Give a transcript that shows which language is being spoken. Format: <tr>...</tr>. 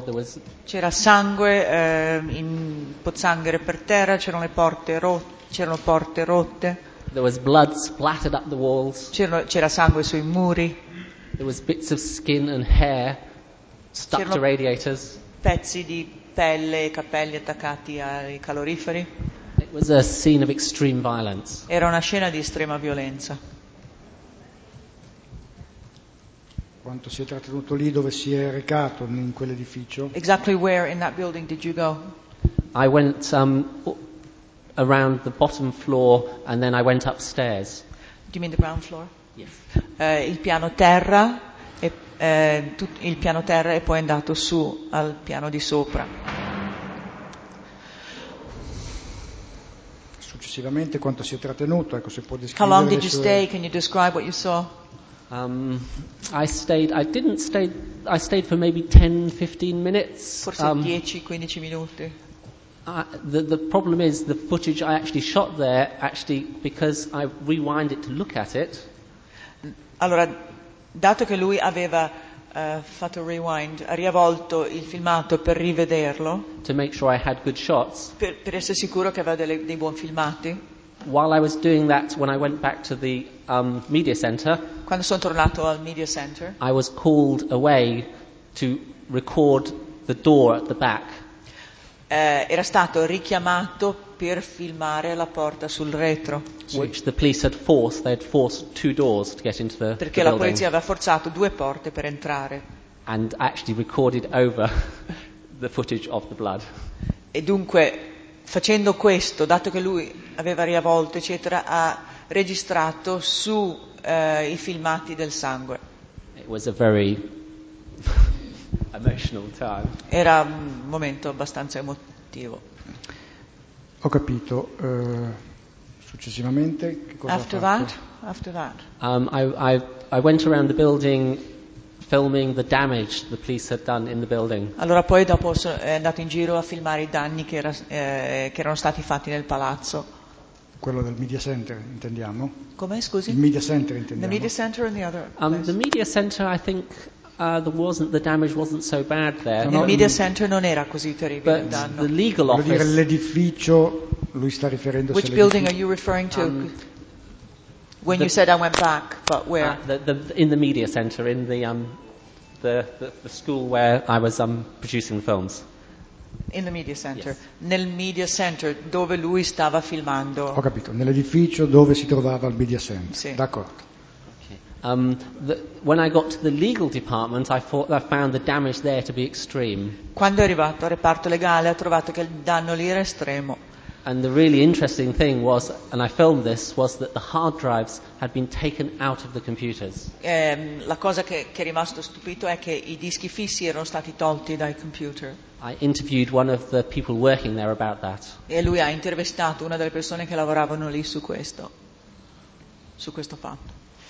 <en>There was.</en> <it>C'era sangue in pozzanghere per terra. C'erano porte rotte.</it> <en>There was blood splattered up the walls.</en> <it>C'era sangue sui muri.</it> <en>There was bits of skin and hair stuck to radiators.</en> <it>Pezzi di pelle e capelli attaccati ai caloriferi.</it> <en>It was a scene of extreme violence.</en> <it>Era una scena di estrema violenza. Quanto si è trattenuto lì, dove si è recato in quell'edificio?</it> <en>Exactly where in that building did you go? I went around the bottom floor and then I went upstairs. Do you mean the ground floor? Yes.</en> <it>Il piano terra e poi è andato su al piano di sopra. Successivamente quanto si è trattenuto? Ecco, se può descrivere.</it> <en>How long did you stay? Can you describe what you saw? I stayed for maybe 10-15 minutes.</en> <it>Forse 10-15 minuti.</it> <en>The problem is the footage I actually shot there, actually, because I rewind it to look at it.</en> <it>Allora, dato che lui aveva fatto rewind, ha riavvolto il filmato per rivederlo.</it> <en>To make sure I had good shots.</en> <it>Per essere sicuro che aveva dei buoni filmati.</it> <en>While I was doing that, when I went back to the media center,</en> <it>quando sono tornato al media center,</it> <en>I was called away to record the door at the back.</en> <it>Era stato richiamato per filmare la porta sul retro.</it> <en>Which the police had forced. They had forced two doors to get into the building.</en> <it>Perché la polizia aveva forzato due porte per entrare.</it> <en>And actually recorded over the footage of the blood.</en> <it>E dunque, facendo questo, dato che lui aveva riavvolto, eccetera, ha registrato su i filmati del sangue.</it> <en>It was a very emotional time.</en> <it>Era un momento abbastanza emotivo. Ho capito. Successivamente, cosa</it> <en>after</en> <it>ha fatto?</it> <en>After that. I went around the building filming the damage the police had done in the building.</en> <it>Allora poi dopo è andato in giro a filmare i danni che erano stati fatti nel palazzo. Quello del media center, intendiamo? Come, scusi? Il media center, intendiamo.</it> <en>The media center and the other place. The media center, I think the damage wasn't so bad there.</en> <it>Il media center non era così terribile.</it> <en>But</en> <it>il danno.</it> <en>The legal office.</en> <it>Vuol dire l'edificio, lui sta riferendosi.</it> <en>Which building are you referring to? When you said I went back, but where? In the media center, in the school where I was producing the films. In the media center. Yes.</en> <it>Nel media center dove lui stava filmando. Ho capito. Nell'edificio dove si trovava il media center. Sì. D'accordo.</it> <en>When I got to the legal department, I found the damage there to be extreme.</en> <it>Quando è arrivato al reparto legale, ha trovato che il danno lì era estremo.</it> <en>And the really interesting thing was, and I filmed this, was that the hard drives had been taken out of the computers.</en> <it>La cosa che è rimasto stupito è che i dischi fissi erano stati tolti dai computer.</it> <en>I interviewed one of the people working there about that.</en> <it>E lui ha intervistato una delle persone che lavoravano lì su questo fatto.</it>